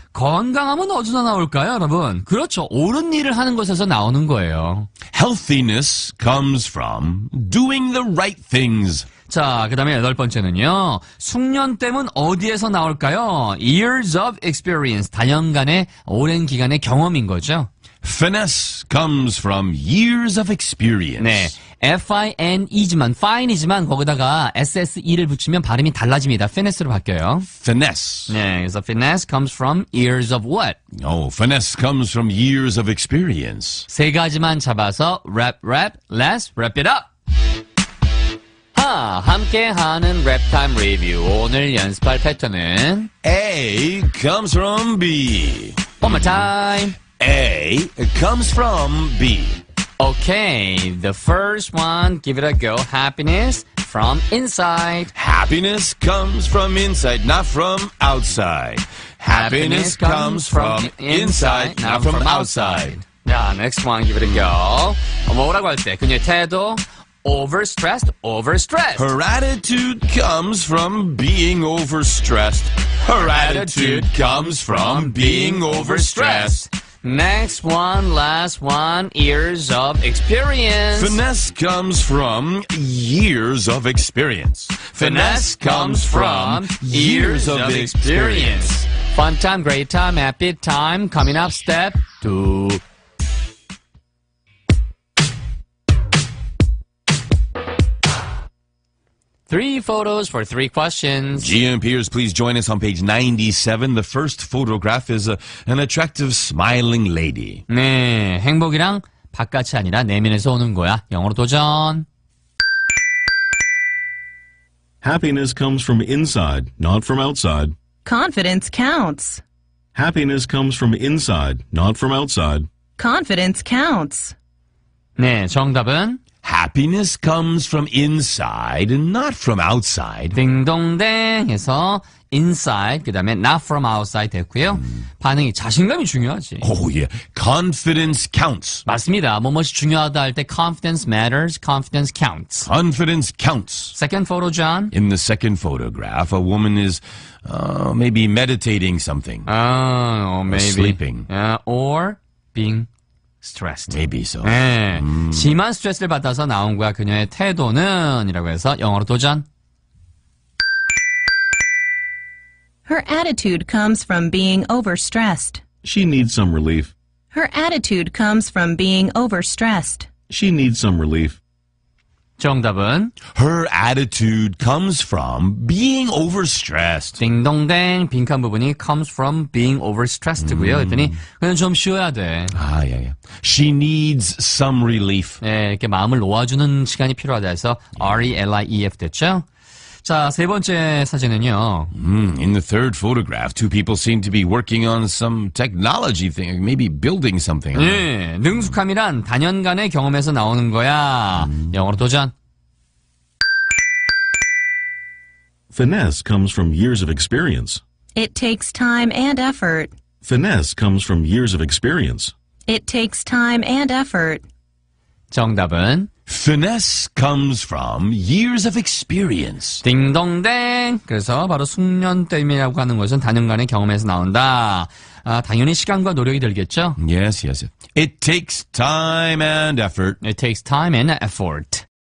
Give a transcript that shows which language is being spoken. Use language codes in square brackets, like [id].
[ko] 건강함은 어디서 나올까요, 여러분? 그렇죠. 옳은 일을 하는 것에서 나오는 거예요. [en] Healthiness comes from doing the right things. [ko] 자, 그 다음에 여덟 번째는요. 숙련됨은 어디에서 나올까요? [en] Years of experience. [ko] 다년간의 오랜 기간의 경험인 거죠. [en] Finesse comes from years of experience. [ko] 네. F-I-N-E지만, fine이지만 거기다가 S-S-E를 붙이면 발음이 달라집니다. Finesse로 바뀌어요. [en] Finesse. 네, 그래서 finesse comes from years of what? Oh, finesse comes from years of experience. [ko] 세 가지만 잡아서 [en] rap, rap, let's wrap it up. [ko] 함께하는 랩타임 리뷰. 오늘 연습할 패턴은 [en] A comes from B. One more time. A comes from B. Okay, the first one, give it a go. Happiness from inside. Happiness comes from inside, not from outside. Happiness comes from inside, not from outside. Yeah, next one, give it a go. [ko] 뭐라고 할 때 그녀의 태도 overstressed, overstressed. [en] Her attitude comes from being overstressed. Her attitude comes from being overstressed. Next one, last one, years of experience. Finesse comes from years of experience. Finesse comes from years of experience. Fun time, great time, happy time. Coming up, step two. Three photos for three questions. GMPers, please join us on page 97. The first photograph is an attractive smiling lady. [ko] 네, 행복이랑 바깥이 아니라 내면에서 오는 거야. 영어로 도전. [en] Happiness comes from inside, not from outside. Confidence counts. Happiness comes from inside, not from outside. Confidence counts. [ko] 네, 정답은? [en] Happiness comes from inside, not from outside. [ko] 딩동댕해서 inside, 그 다음에 [en] not from outside [ko] 됐고요. 반응이 자신감이 중요하지. [en] Oh yeah, confidence counts. [ko] 맞습니다. 뭐뭐이 중요하다 할 때 [en] confidence matters, confidence counts. Confidence counts. Second photo, John. In the second photograph, a woman is maybe meditating something. Or maybe. Or sleeping. Or being stressed. Maybe so. [ko] 네. 심한 스트레스를 받아서 나온 거야. 그녀의 태도는 이라고 해서 영어로 도전. [en] Her attitude comes from being overstressed. She needs some relief. Her attitude comes from being overstressed. She needs some relief. [ko] 정답은 [en] Her attitude comes from being overstressed. [ko] 딩동댕 빈칸 부분이 [en] comes from being overstressed [ko] 고요. 그랬더니 그냥 좀 쉬어야 돼. [en] 아, 예, 예. She needs some relief. [ko] 네, 이렇게 마음을 놓아주는 시간이 필요하다 해서 R-E-L-I-E-F 됐죠? 자, 세 번째 사진은요. [en] In the third photograph, two people seem to be working on some technology thing, maybe building something. [ko] 네, 능숙함이란 다년간의 경험에서 나오는 거야. 영어로 도전. [en] Finesse comes from years of experience. It takes time and effort. Finesse comes from years of experience. It takes time and effort. [ko] 정답은? [en] Finesse comes from years of experience. [ko] 딩동댕. 그래서 바로 숙련됨이라고 하는 것은 다년간의 경험에서 나온다. 아, 당연히 시간과 노력이 들겠죠? [en] Yes, yes. It takes time and effort. It takes time and effort.